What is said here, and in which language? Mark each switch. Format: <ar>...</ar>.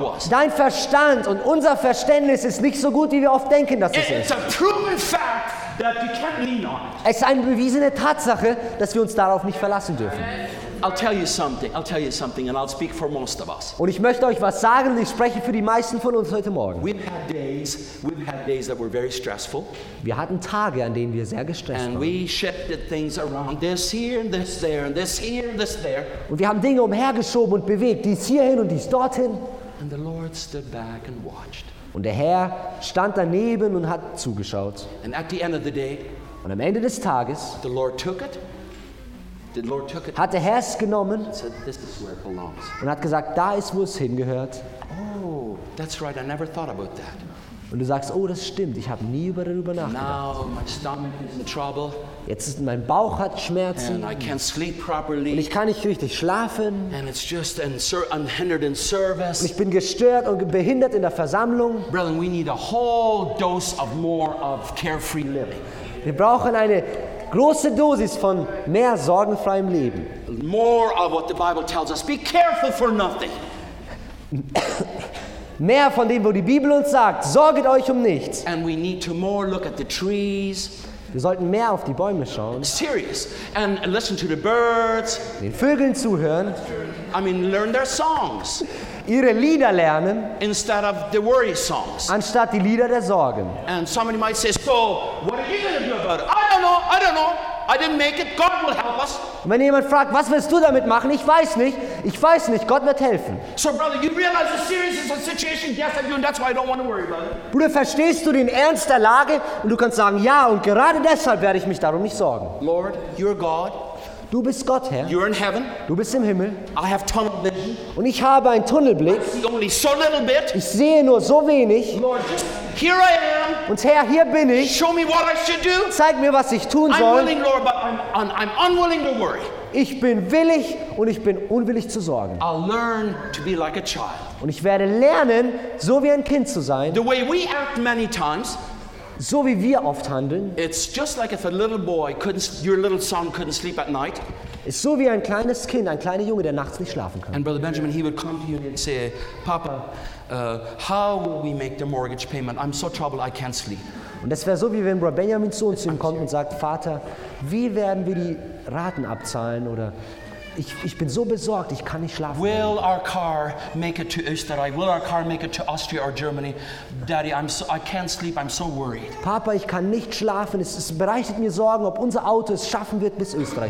<de>Dein Verstand und unser Verständnis ist nicht so gut, wie wir oft denken, dass es ist.</de> <en>It's a proven fact that you can't lean on.</en> <de>Es ist eine bewiesene Tatsache, dass wir uns darauf nicht verlassen dürfen.</de> <en>I'll tell you something and I'll speak for most of us.</en> <de>Und ich möchte euch was sagen und ich spreche für die meisten von uns heute Morgen.</de> <en>We've had days that were very stressful.</en> <de>Wir hatten Tage, an denen wir sehr gestresst waren.</de> <en>And we shifted things around, this here and this there and this here and this there.</en> <de>Und wir haben Dinge umhergeschoben und bewegt, dies hierhin und dies dorthin.</de> <en>And the Lord stood back and watched.</en> <de>Und der Herr stand daneben und hat zugeschaut.</de> <en>And at the end of the day,</en> <de>und am Ende des Tages,</de> <en>the Lord took it. The Lord took it,</en> <de>hat der Herr es genommen</de> <en>said, this is where it belongs.</en> <de>Und hat gesagt, da ist, wo es hingehört.</de> <en>Oh, that's right. I never thought about that.</en> <de>Und du sagst, oh, das stimmt, ich habe nie darüber nachgedacht.</de> <en>Now my stomach is in trouble.</en> <de>Jetzt ist mein Bauch hat Schmerzen.</de> <en>And I can't sleep properly.</en> <de>Und ich kann nicht richtig schlafen.</de> <en>And it's just unhindered in service.</en> <de>Und ich bin gestört und behindert in der Versammlung.</de> <en>Brother, we need a whole dose of more of carefree living.</en> <de>Wir brauchen eine große Dosis von mehr sorgenfreiem Leben.</de> <en>More of what the Bible tells us. Be careful for nothing.</en> <de>Mehr von dem, wo die Bibel uns sagt, sorget euch um nichts.</de> <en>And we need to more look at the trees.</en> <de>Wir sollten mehr auf die Bäume schauen.</de> <en>Serious. And listen to the birds.</en> <de>Den Vögeln zuhören.</de> <en>I mean, learn their songs.</en> <de>Ihre Lieder lernen.</de> <en>Instead of the worry songs.</en> <de>Anstatt die Lieder der Sorgen.</de> <en>And somebody might say, so, what are you going to do about it? I don't know. I didn't make it. God will help us.</en> <de>Und wenn jemand fragt, was willst du damit machen? Ich weiß nicht. Gott wird helfen.</de> <en>So, brother, you realize the seriousness of the situation? Yes, I do, and that's why I don't want to worry, brother.</en> <de>Bruder, verstehst du den Ernst der Lage? Und du kannst sagen, ja, und gerade deshalb werde ich mich darum nicht sorgen.</de> <en>Lord, you're God.</en> <de>Du bist Gott, Herr.</de> <en>You're in heaven.</en> <de>Du bist im Himmel.</de> <en>I have tunnel vision.</en> <de>Und ich habe einen Tunnelblick.</de> <en>I see only so little bit.</en> <de>Ich sehe nur so wenig.</de> <en>Lord, here I am.</en> <de>Und Herr, hier bin ich.</de> <en>Show me what I should do.</en> <de>Zeig mir, was ich tun soll.</de> <en>I'm willing, Lord, but I'm unwilling to worry.</en> <de>Ich bin willig und ich bin unwillig zu sorgen.</de> <en>I'll learn to be like a child.</en> <de>Und ich werde lernen, so wie ein Kind zu sein.</de> <en>The way we act many times.</en> <de>So wie wir oft handeln.</de> <en>It's just like if a little boy couldn't, your little son couldn't sleep at night.</en> <de>Ist so wie ein kleines Kind, ein kleiner Junge, der nachts nicht schlafen kann.</de> <en>And Brother Benjamin, he would come to you and say, Papa, how will we make the mortgage payment? I'm so troubled, I can't sleep.</en> <de>Und das wäre so wie wenn Brother Benjamin zu uns kommt und sagt, Vater, wie werden wir die Raten abzahlen? Oder ich bin so besorgt, ich kann nicht schlafen.</de> <en>Will our car make it to Österreich? Will our car make it to Austria or Germany? Daddy, I can't sleep, I'm so worried.</en> <de>Papa, ich kann nicht schlafen. Es bereitet mir Sorgen, ob unser Auto es schaffen wird bis Österreich.</de>